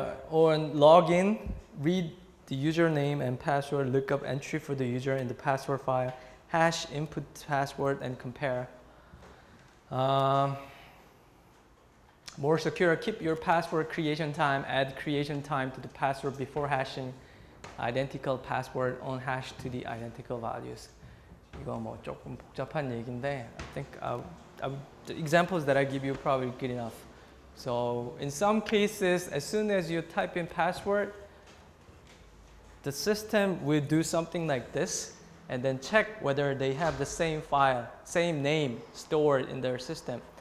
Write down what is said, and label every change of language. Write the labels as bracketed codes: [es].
[en] On login, read the username and password, look up entry for the user in the password file, hash input password and compare. More secure, keep your password creation time, add creation time to the password before hashing, identical password on hash to the identical values. [ko] 이거 뭐 조금 복잡한 얘기인데, [en] I think the examples that I give you probably good enough. So in some cases, as soon as you type in password, the system will do something like this and then check whether they have the same file, same name stored in their system.